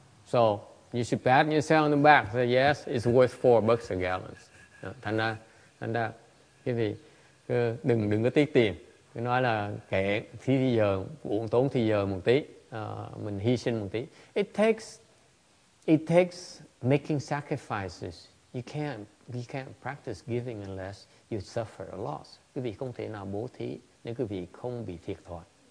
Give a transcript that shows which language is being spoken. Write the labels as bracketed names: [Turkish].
[English] So you should pat yourself on the back. Say yes, it's worth $4 a gallon. [Vietnamese] Thành ra, quý vị đừng có tiếc tiền. Cứ nói là kể phí thì giờ, uổng tốn thì giờ một tí, mình hy sinh một tí. [English] It takes It takes making sacrifices. You can't practice giving unless you suffer a loss. [Vietnamese] Quý vị không thể nào bố thí nếu quý vị không bị thiệt thòi.